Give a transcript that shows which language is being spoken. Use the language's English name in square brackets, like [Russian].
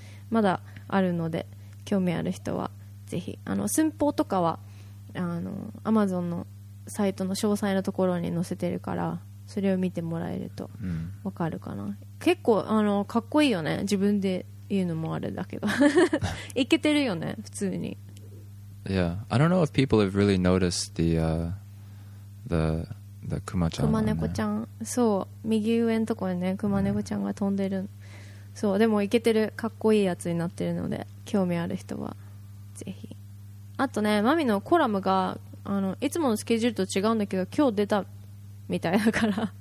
[Japanese] まだあるので興味ある人はぜひ。寸法とかはAmazon のサイトの詳細のところに載せてるから、それを見てもらえるとわかるかな、うん、結構かっこいいよね。自分で言うのもあれだけどイケてるよね普通に。 [English] Yeah, I don't know if people have really noticed the クマちゃん、 [Japanese] クマ猫ちゃん、そう、右上のところにね、クマ猫ちゃんが飛んでる、うん、そう、でもイケてる、かっこいいやつになってるので、興味ある人はぜひ。あとね、マミのコラムがいつものスケジュールと違うんだけど、今日出たみたいだから、